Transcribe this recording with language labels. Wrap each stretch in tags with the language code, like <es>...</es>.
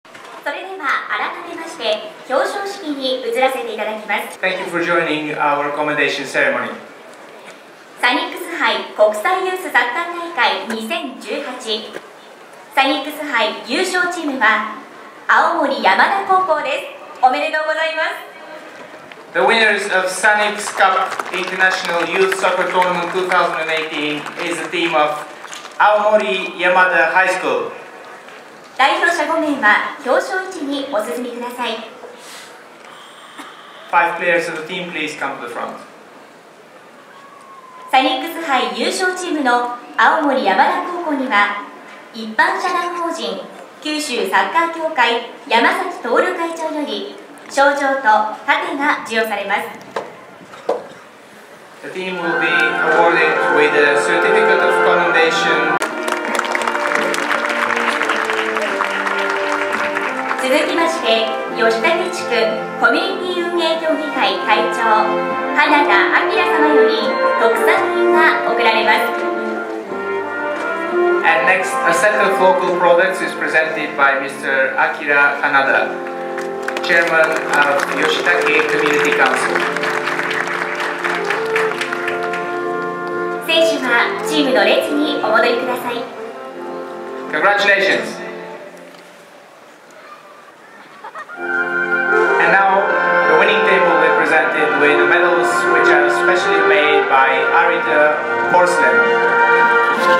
<ja>それでは改めまして表彰式に移らせていただきます。</ja> <en>Thank you for joining our commendation ceremony.</en> <ja>サニックス杯国際ユース雑談大会2018サニックス杯優勝チームは青森山田高校です。おめでとうございます。</ja> <en>The winners of Sanics Cup International Youth Soccer Tournament 2018 is the team of 青森山田 High School。</en> <ja>代表者5名は表彰位置にお進みください。</ja> <en>Five players of the team please come to the front。</en> <ja>サニックス杯優勝チームの青森山田高校には一般社団法人九州サッカー協会山崎徹会長より賞状と盾が授与されます。</ja> <en>The team will be awarded with a certificate of commendation.</en> <ja>続きまして吉竹地区コミュニティ運営協議会会長花田明様より特産品が贈られます。</ja> <en>And next, a set of local products is presented by Mr. Akira Hanada, Chairman of Yoshitake Community Council.</en> <ja>選手はチームの列にお戻りください。</ja> <en>Congratulations! And now, the winning table will be presented with the medals which are specially made by Arita Porcelain.</en>